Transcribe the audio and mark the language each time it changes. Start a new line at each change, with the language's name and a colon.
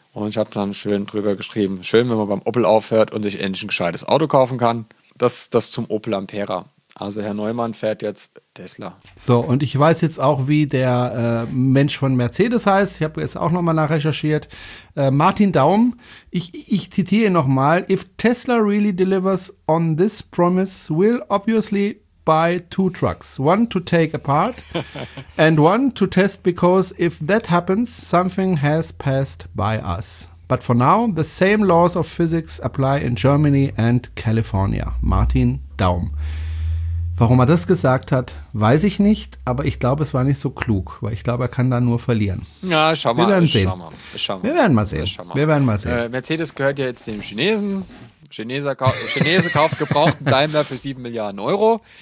German: Und ich habe dann schön drüber geschrieben, schön, wenn man beim Opel aufhört und sich endlich ein gescheites Auto kaufen kann. Das zum Opel Ampera. Also Herr Neumann fährt jetzt Tesla. So, und ich weiß jetzt auch, wie der Mensch von Mercedes heißt. Ich habe jetzt auch nochmal nachrecherchiert. Martin Daum, ich zitiere nochmal.
English: If Tesla really delivers on this promise, we'll obviously buy two trucks. One to take apart and one to test, because if that happens, something has passed by us. But for now, the same laws of physics apply in Germany and California.
German: Martin Daum. Warum er das gesagt hat, weiß ich nicht, aber ich glaube, es war nicht so klug, weil ich glaube, er kann da nur verlieren. Ja, schau mal. Wir werden sehen. Wir werden mal sehen. Mercedes gehört ja jetzt dem Chinesen. Chinese kauft gebrauchten Daimler für 7 Milliarden Euro.